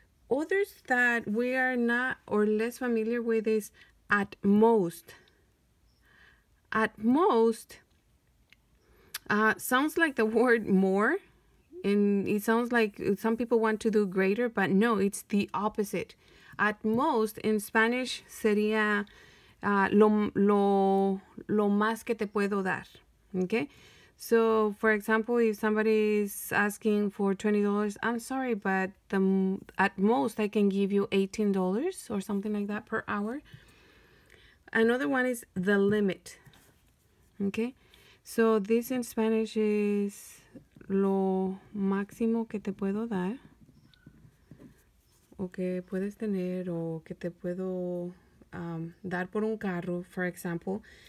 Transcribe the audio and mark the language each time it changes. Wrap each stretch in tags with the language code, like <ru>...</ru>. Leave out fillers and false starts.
<en>Others that we are not or less familiar with is at most. At most sounds like the word more, and it sounds like some people want to do greater, but no, it's the opposite. At most in Spanish</en> <es>sería lo más que te puedo dar.</es> <en>Okay, so for example, if somebody is asking for $20, I'm sorry, but at most I can give you $18 or something like that per hour. Another one is the limit. Okay, so this in Spanish is</en> <es>lo máximo que te puedo dar, o que puedes tener, o que te puedo dar por un carro,</es> <en>for example.</en>